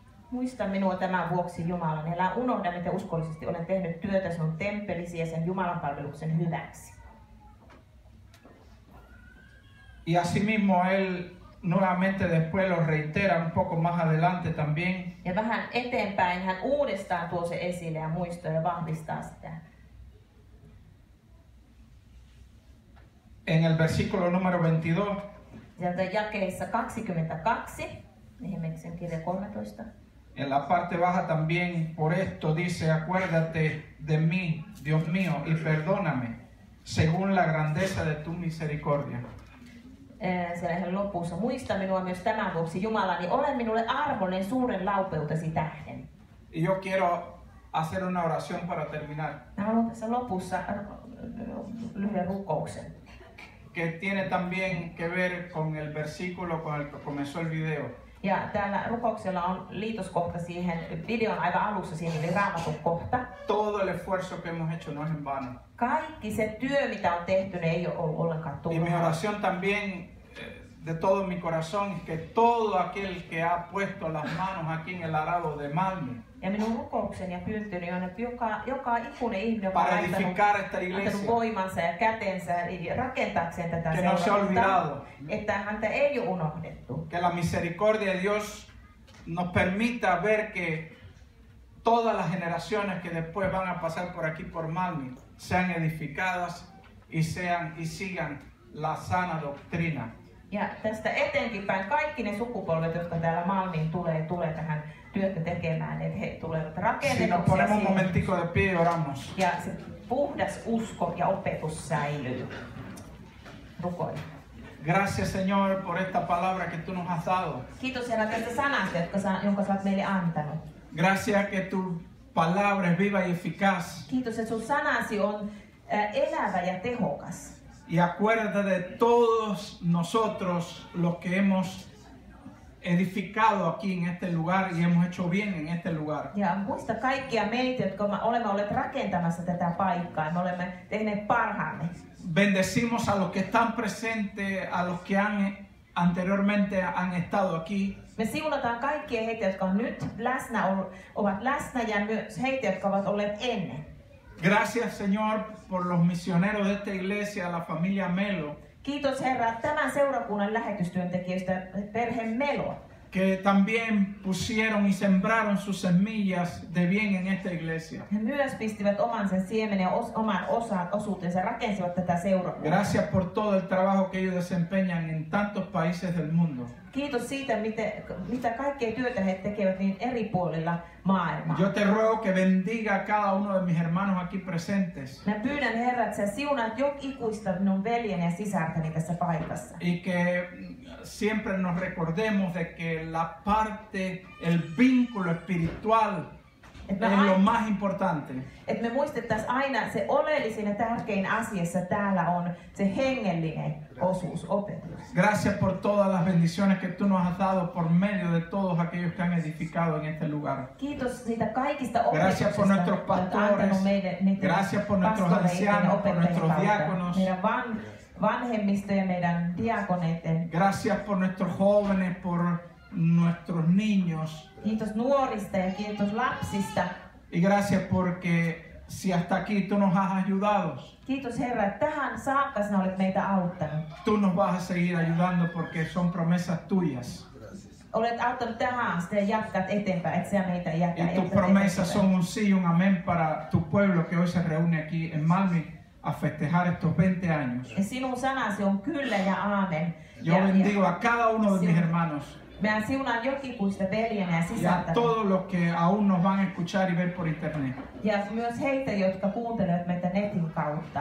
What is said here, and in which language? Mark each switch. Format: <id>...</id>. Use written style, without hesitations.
<fi>Muista minua tämän vuoksi Jumalan, älä unohda miten uskollisesti olen tehnyt työtä sinun temppelisi ja sen Jumalan palveluksen hyväksi.</fi> <es>Y asimismo él nuevamente después lo reitera un poco más adelante también.</es> <fi>Ja vähän eteenpäin hän uudestaan tuo se esille ja muistoo ja vahvistaa sitä.</fi> <es>En el versículo número 22.</es> <fi>Sieltä jakeissa 22, Nehemiäksen kirja 13.</fi> <es>En la parte baja también por esto dice, acuérdate de mí, Dios mío, y perdóname, según la grandeza de tu misericordia.</es> <fi>Siellä ihan lopussa, muista minua myös tämän vuoksi Jumalani, ole minulle arvoinen suuren laupeutesi tähden.</fi> <es>Yo quiero hacer una oración para terminar.</es> <fi>Mä haluan tässä lopussa lyhyen rukouksen.</fi> <es>Que tiene también que ver con el versículo con el que comenzó el video.</es> <fi>Ja täällä rukouksella on liitoskohta siihen videon aivan alussa, siihen oli Raamatun kohta.</fi> <es>Todo el esfuerzo que hemos hecho no es en vano.</es> <fi>Kaikki se työ, mitä on tehty, ei ole ollut ollenkaan turhaa.</fi> <es>Y mi oración también de todo mi corazón es que todo aquel que ha puesto las manos aquí en el arado de Malmö.</es> <fi>Ja minun rukoukseni ja pyyntöni on, että joka ikuinen ihminen, joka on laittanut voimansa ja kätensä rakentaakseen tätä</fi> <es>que seurata, no se olvidado,</es> <fi>että häntä ei ole unohdettu.</fi> <es>Que la misericordia de Dios nos permita ver que todas las generaciones que después van a pasar por aquí por Malmö sean edificadas y sigan la sana doctrina.</es> <fi>Ja tästä etenkin päin kaikki ne sukupolvet, jotka täällä Malmiin tulee tähän työtä tekemään, että he tulevat rakennetuksi si siihen. Ja se puhdas usko ja opetus säilyy. Rukoin.</fi> <es>Gracias, Señor, por esta palabra que tú nos has dado.</es> <fi>Kiitos, Herra, tästä sanasta, jonka sä oot meille antanut.</fi> <es>Gracias, que tu palabra es viva y eficaz.</es> <fi>Kiitos, että sun sanasi on elävä ja tehokas.</fi> <es>Y acuérdate de todos nosotros los que hemos edificado aquí en este lugar y hemos hecho bien en este lugar.</es> <fi>Ja muista kaikkia meitä, jotka olemme olleet rakentamassa tätä paikkaa, me olemme tehneet parhaamme.</fi> <es>Bendecimos a los que están presentes, a los que anteriormente han estado aquí.</es> <fi>Me siunataan kaikkia heitä, jotka on nyt läsnä, ovat läsnä ja myös heitä, jotka ovat olleet ennen.</fi> <es>Gracias, Señor, por los misioneros de esta iglesia, la familia Melo.</es> <fi>Kiitos, Herra, tämän seurakunnan lähetystyöntekijöistä, perhe Melo.</fi> <es>Que también pusieron y sembraron sus semillas de bien en esta iglesia.</es> <fi>He myös pistivät oman sen siemen ja oman osuutensa, rakensivat tätä seurakuntaa.</fi> <es>Gracias por todo el trabajo que ellos desempeñan en tantos países del mundo.</es> <fi>Kiitos siitä, mitä kaikkea työtä he tekevät niin eri puolilla maailmaa.</fi> <es>Yo te ruego que bendiga a cada uno de mis hermanos aquí presentes.</es> <fi>Mä pyydän, Herra, että sä siunaat jokikuista minun veljeni ja sisarteni tässä paikassa.</fi> <es>Y que siempre nos recordemos de que la parte, el vínculo espiritual es lo más importante.</es> <fi>Et me muistettais aina se oleellisin ja tärkein asiassa täällä on se hengellinen osuus, opetus.</fi> <es>Gracias por todas las bendiciones que tú nos has dado por medio de todos aquellos que han edificado en este lugar.</es> <fi>Kiitos siitä kaikista opetuksista.</fi> <es>Gracias por nuestros pastores. Gracias por nuestros ancianos, por nuestros diáconos.</es> <fi>Meidän vanhemmisten meidän diakoneiden.</fi> <es>Gracias por nuestros jóvenes, por nuestros niños.</es> <fi>Kiitos nuorista ja kiitos lapsista.</fi> <es>Y gracias porque si hasta aquí tú nos has ayudado.</es> <fi>Kiitos Herra, tähän saakka sinä olet meitä auttanut.</fi> <es>Tú nos vas a seguir ayudando porque son promesas tuyas.</es> <fi>Olet auttanut tähän asti ja jatkat eteenpäin, et sinä meitä jätä.</fi> <es>Y tus promesas son un sí y un amén para tu pueblo que hoy se reúne aquí en Malmi a festejar estos 20 años.</es> <fi>Ja sinun sanasi on kyllä ja aamen.</fi> <es>Yo bendigo a cada uno de mis hermanos.</es> <fi>Minä siunaan jokikuista veljeni ja sisältäni.</fi> <es>Ja todos los que aún nos van a escuchar y ver por internet.</es> <fi>Ja myös heitä, jotka kuuntelevat meitä netin kautta.</fi>